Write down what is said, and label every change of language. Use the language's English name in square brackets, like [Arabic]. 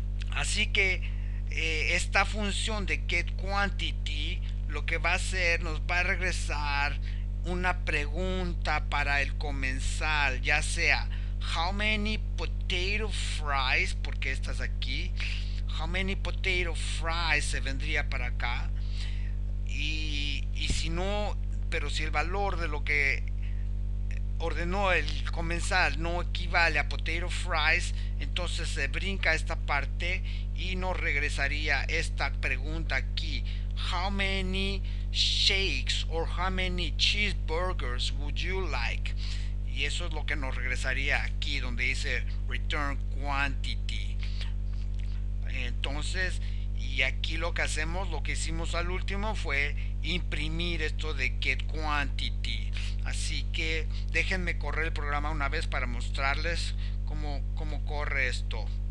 [Spanish] Así que esta función de getQuantity lo que va a hacer, nos va a regresar una pregunta para el comensal, ya sea [English] how many potato fries, [Spanish] porque estás aquí, how many potato fries se vendría para acá, y si no, pero si el valor de lo que ordenó el comensal no equivale a potato fries, entonces se brinca esta parte y nos regresaría esta pregunta aquí. [English] How many shakes or how many cheeseburgers would you like? [Spanish] Y eso es lo que nos regresaría aquí donde dice return quantity. Entonces, y aquí lo que hacemos, lo que hicimos al último fue imprimir esto de getQuantity. Así que déjenme correr el programa una vez para mostrarles cómo corre esto.